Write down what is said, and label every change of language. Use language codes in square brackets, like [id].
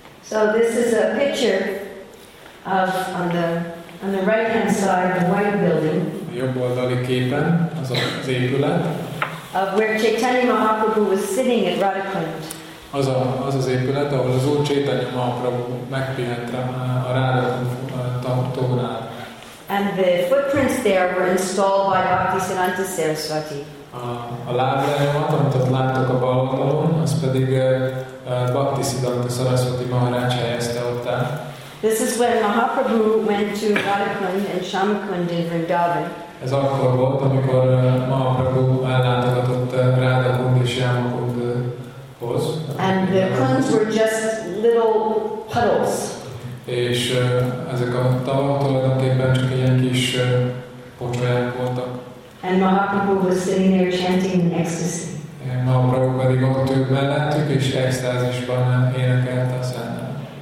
[en] So this is a picture of on the right hand side of the white building. [hu] Jó jobb oldali képen az az épület. [en] Of where Chaitanya Mahaprabhu was sitting at Radhakund. [hu] Az a, az az épület, ahol az Úr Chaitanya Mahaprabhu megpihent a Radhakund tornál. [en] And the footprints there were installed by Bhaktisiddhanta Saraswati. [hu] A lábnyomat, amit ott láttok a bal oldalon, az pedig Bhaktisiddhanta Saraswati Maharaj helyezte ott el. [en] This is when Mahaprabhu went to Radhakund and Shyamakund in Vrindavan. [hu] Ez akkor volt, amikor Mahaprabhu ellátogatott Radhakund és Shyamakundhoz. [en] And the kunds were just little puddles. [hu] És ezek a tavak tulajdonképpen csak ilyen kis pocsolyák voltak. [en] And Mahaprabhu was sitting there chanting in ecstasy. [hu] Mahaprabhu pedig ott ült mellettük, és extázisban énekelt a szentet.